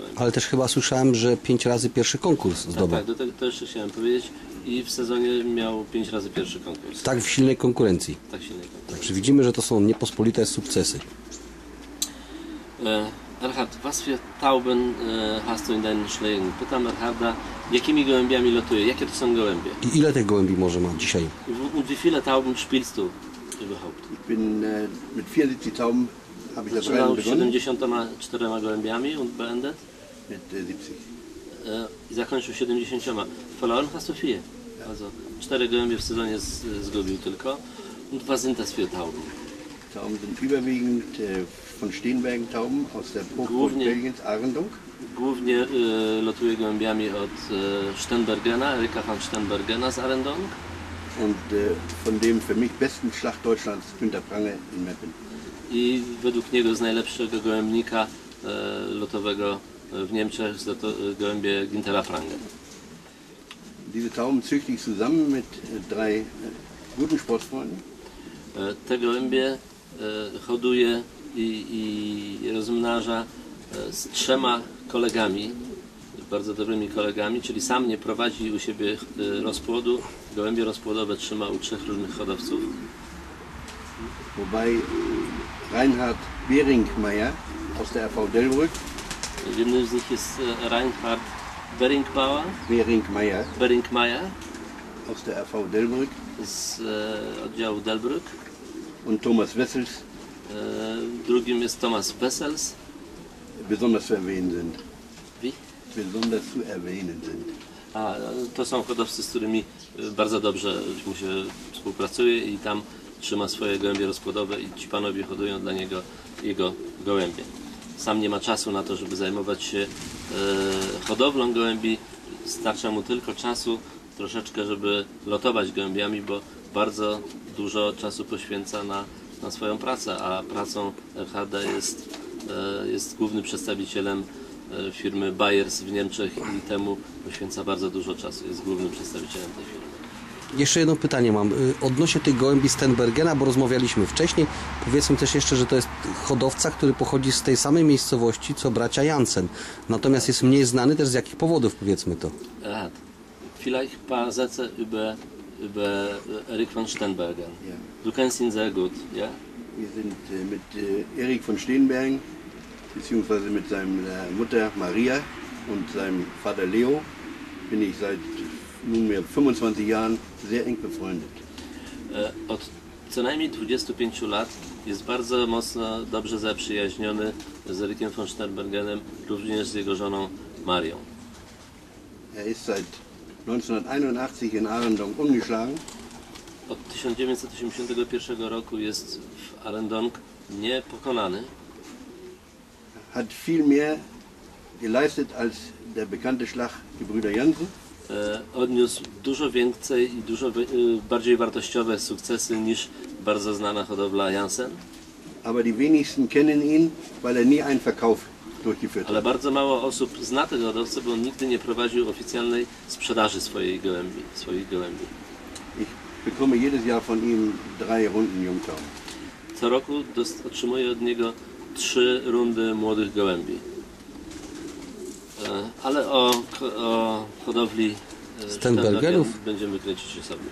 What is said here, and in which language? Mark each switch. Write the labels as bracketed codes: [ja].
[pl] Ale też chyba słyszałem, że 5 razy pierwszy konkurs zdobył. Tak, to jeszcze chciałem powiedzieć. I w sezonie miał 5 razy pierwszy konkurs. Tak w silnej konkurencji. Tak silnej konkurencji. Także widzimy, że to są niepospolite sukcesy. [de] Erhard, was für Tauben hast du in deinen Schlägen? [pl] Pytam Erharda, jakimi gołębiami lotuje? Jakie to są gołębie? I ile tych gołębi może ma dzisiaj? [de] Und wie viele Tauben spielst du überhaupt? Ich bin mit 74 Tauben habe ich das Rennen begonnen. [pl] 74 gołębiami [de] und beendet? Mit 70. [pl] I zakończył 70. [de] Verloren hast du viele. [pl] Also 4 gołębie w sezonie zgubił tylko. [de] Und was sind das für Tauben? Tauben sind überwiegend von Steenbergentauben aus der Hochburg Belgiens Arendung. [pl] Głównie lotuje gołębiami od Stenbergena, Erika von Stenbergena z Arendung. [de] Und von dem für mich besten Schlacht Deutschlands, Günter Prange in Meppen. [pl] I według niego z najlepszego gołębnika lotowego w Niemczech, gołębie Gintera Prange. [de] Diese Tauben züchte ich zusammen mit drei guten Sportfreunden. [pl] Te gołębie hoduje i rozmnaża z 3 kolegami, bardzo dobrymi kolegami, czyli sam nie prowadzi u siebie rozpłodu. Gołębie rozpłodowe trzyma u 3 różnych hodowców. [de] Wobei Reinhard Beringmeier aus der RV Delbrück. [pl] Jednym z nich jest Reinhard Beringmeier. [de] Beringmeier. Aus der RV Delbrück. [pl] Z oddziału Delbrück. [de] Und Thomas Wessels. [pl] Drugim jest Thomas Wessels. [de] Besonders zu erwähnen sind. Wie? Besonders zu erwähnen sind. [pl] A, to są hodowcy, z którymi bardzo dobrze mu się współpracuje i tam trzyma swoje gołębie rozpłodowe i ci panowie hodują dla niego jego gołębie. Sam nie ma czasu na to, żeby zajmować się hodowlą gołębi. Starcza mu tylko czasu troszeczkę, żeby lotować gołębiami, bo bardzo dużo czasu poświęca na swoją pracę, a pracą Erharda jest głównym przedstawicielem firmy Bayers w Niemczech i temu poświęca bardzo dużo czasu. Jest głównym przedstawicielem tej firmy. Jeszcze jedno pytanie mam. Odnośnie tych gołębi Stenbergena, bo rozmawialiśmy wcześniej, powiedzmy też jeszcze, że to jest hodowca, który pochodzi z tej samej miejscowości, co bracia Jansen. Natomiast jest mniej znany też z jakich powodów, powiedzmy to. Rad. [de] Vielleicht ein paar Sätze über Erik von Stenbergen. Yeah. Du kennst ihn sehr gut, ja? Yeah? Wir sind mit Erik von Stenbergen, beziehungsweise mit seiner Mutter Maria und seinem Vater Leo, bin ich seit nunmehr 25 Jahren sehr eng befreundet. [pl] Od co najmniej 25 lat jest bardzo mocno, dobrze zaprzyjaźniony z Erikiem von Stenbergenem, również z jego żoną Marią. [de] Er ist seit 1981 in Arendong ungeschlagen. [pl] Od 1981 roku jest w Arendong niepokonany. [de] Hat viel mehr geleistet als der bekannte Schlag Gebrüder Jansen. [pl] Odniósł dużo więcej i dużo bardziej wartościowe sukcesy niż bardzo znana hodowla Jansen. [de] Aber die wenigsten kennen ihn, weil er nie einen Verkauf durchgeführt hat. [pl] Ale bardzo mało osób zna tego hodowcę, bo on nigdy nie prowadził oficjalnej sprzedaży swoich gołębi. [de] Bekomme jedes Jahr von ihm 3 Runden Jungtauben. [pl] Co roku otrzymuję od niego 3 rundy młodych gołębi. Ale o hodowli Stenbergenów będziemy kręcić się sobie.